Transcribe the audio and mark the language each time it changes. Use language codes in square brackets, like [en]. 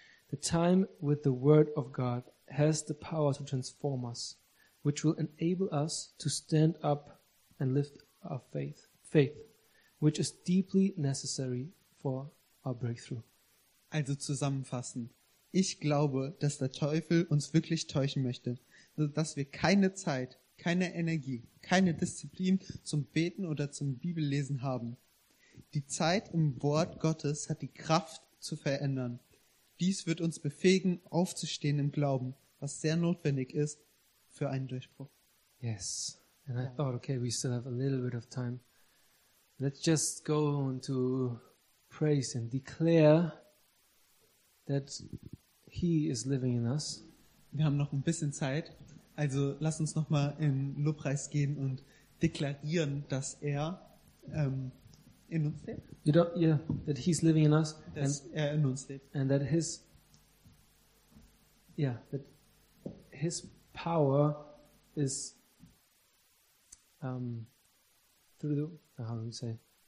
[en] The time with the word of God has the power to transform us, which will enable us to stand up and lift our faith which is deeply necessary for our breakthrough. [de] Also zusammenfassend: Ich glaube, dass der Teufel uns wirklich täuschen möchte, dass wir keine Zeit, keine Energie, keine Disziplin zum Beten oder zum Bibellesen haben. Die Zeit im Wort Gottes hat die Kraft zu verändern. Dies wird uns befähigen, aufzustehen im Glauben, was sehr notwendig ist für einen Durchbruch. [en] Yes, and I thought, okay, we still have a little bit of time. Let's just go on to praise and declare that he is living in us. [de] Wir haben noch ein bisschen Zeit, also lass uns noch mal in Lobpreis gehen und deklarieren, dass er in uns lebt. [en] You don't, yeah, that he's living in us. [de] Dass er in uns lebt. [en] And that his, yeah, that his power is through the, how do you say?